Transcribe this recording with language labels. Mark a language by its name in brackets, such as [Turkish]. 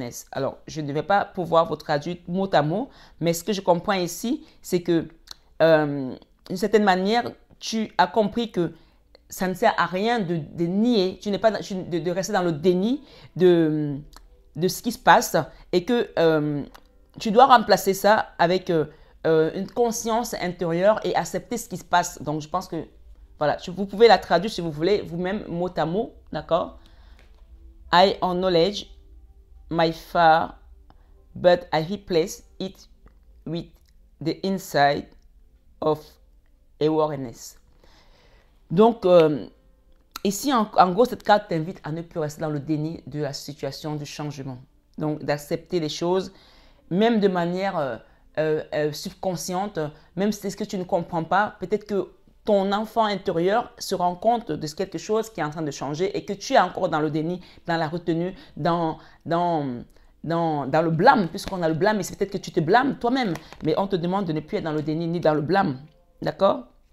[French] Alors, je ne vais pas pouvoir vous traduire mot à mot, mais ce que je comprends ici, c'est que d'une certaine manière, tu as compris que ça ne sert à rien de nier, tu n'es pas de rester dans le déni de ce qui se passe et que tu dois remplacer ça avec une conscience intérieure et accepter ce qui se passe. Donc, je pense que, voilà, vous pouvez la traduire si vous voulez, vous-même, mot à mot, d'accord? [English] I acknowledge my fear, but I replace it with the insight of awareness. [French] Donc, ici, en gros, cette carte t'invite à ne plus rester dans le déni de la situation, du changement. Donc, d'accepter les choses, même de manière subconsciente, même si c'est ce que tu ne comprends pas, peut-être que ton enfant intérieur se rend compte de quelque chose qui est en train de changer et que tu es encore dans le déni, dans la retenue, dans le blâme, puisqu'on a le blâme, et c'est peut-être que tu te blâmes toi-même, mais on te demande de ne plus être dans le déni ni dans le blâme, d'accord?